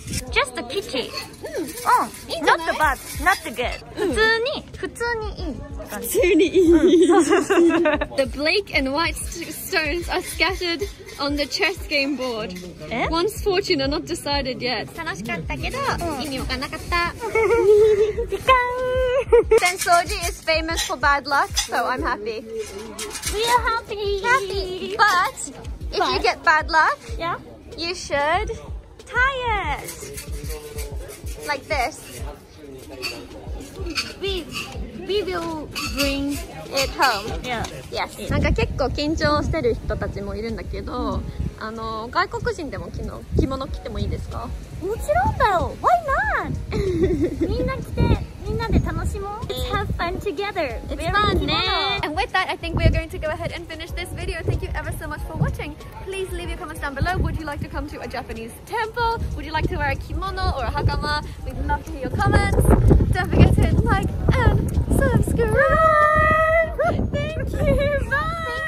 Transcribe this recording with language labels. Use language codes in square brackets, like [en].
[en] Just a kitty. Not the bad, not the good. [ja] 普通に、普通にいい。普通にいい。 [en] The black and white stones are scattered on the chess game board. One's fortune are not decided yet. [ja] 楽しかったけど、意味わかんなかった。ピカン！ [en] Sensoji is famous for bad luck, so I'm happy. We are happy. Happy. But if you get bad luck, you should tie it. Like this. We will bring it home. [ja] なんか結構緊張してる人たちもいるんだけど、外国人でも着物着てもいいですか？もちろんだよ。 [en] Why not? [ja] みんな着て、みんなで楽しもう。 [en] Let's have fun together. It's fun, ね。 And with that, I think we are going to go ahead and finish this video. Thank you ever so much for watching. Please leave your comments down below. Would you like to come to a Japanese temple? Would you like to wear a kimono or a hakama? We'd love to hear your comments. Don't forget to like and subscribe. Thank you. Bye.